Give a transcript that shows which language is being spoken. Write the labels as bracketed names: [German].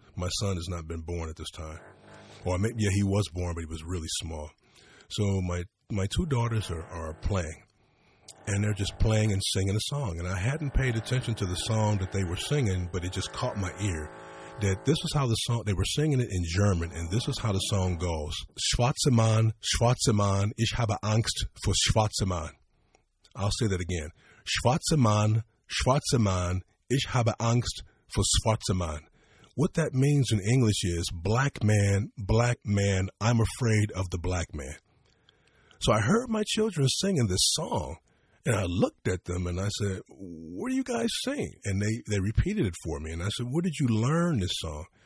[English] My son has not been born at this time. He was born, but he was really small. So my two daughters are playing. And they're just playing and singing a song. And I hadn't paid attention to the song that they were singing, but it just caught my ear. That this is how the song, they were singing it in German, and this is how the song goes. [German] Schwarze Mann, Schwarze Mann, ich habe Angst vor Schwarze Mann. [English] I'll say that again. [German] Schwarze Mann, Schwarze Mann, ich habe Angst vor Schwarze Mann. [English] What that means in English is, black man, I'm afraid of the black man. So I heard my children singing this song. And I looked at them and I said, what are you guys singing? And they repeated it for me. And I said, where did you learn this song?